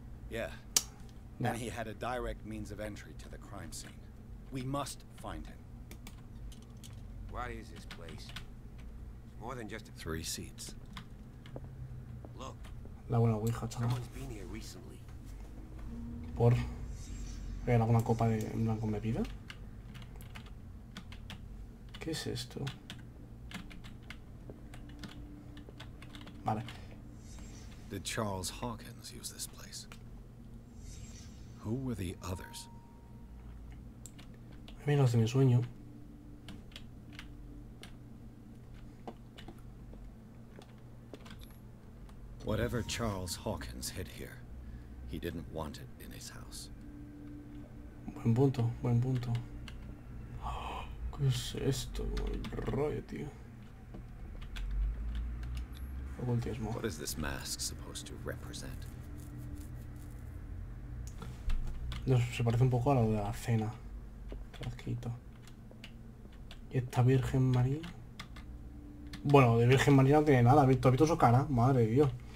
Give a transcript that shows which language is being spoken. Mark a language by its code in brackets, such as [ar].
[en] Yeah. Yeah. And he had a direct means of entry to the crime scene. We must find him. What is this place? It's more than just a... Three seats. Look. [es] La buena ouija, chaval. [en] Someone's been here recently. [es] Por... ¿Hay alguna copa de blanco en bebida? ¿Qué es esto? Vale. [en] Did Charles Hawkins use this place? Who were the others? [es] Mira, es mi sueño. [en] Whatever Charles Hawkins hid here, he didn't want it in his house. [es] Buen punto, buen punto. ¿Qué es esto? El rollo, tío. Ocultismo. [en] What is this mask supposed to represent? [es] No, se parece un poco a lo de la cena. Frasquito. ¿Y esta Virgen María? Bueno, de Virgen María no tiene nada. ¿Tú has visto su cara? Madre de Dios.